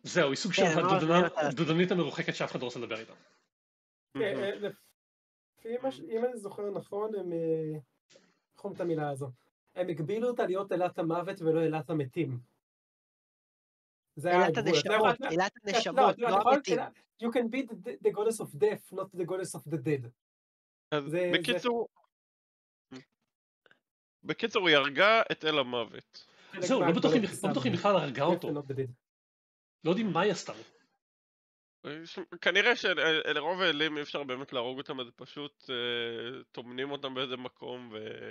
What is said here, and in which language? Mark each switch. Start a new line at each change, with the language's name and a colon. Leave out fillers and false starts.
Hebrew: זהו, היא סוג של הדודנית המרוחקת שאף אחד רוצה לדבר איתה. אם אני זוכר נכון, הם... חום את המילה הזו. הם הגבילו אותה להיות אלת המוות ולא אלת המתים. אלת הנשמות, אלת הנשמות, לא המתים.
English: You can be the goddess of death, not the goddess of the dead.
Hebrew: אז בקיצור... בקיצור, היא הרגה את אל המוות. זהו, לא בטוח אם בכלל הרגה אותו. לא יודעים מה היא עשתה. כנראה שלרוב האלים אי אפשר באמת להרוג אותם, אז פשוט תומנים אותם באיזה מקום ו...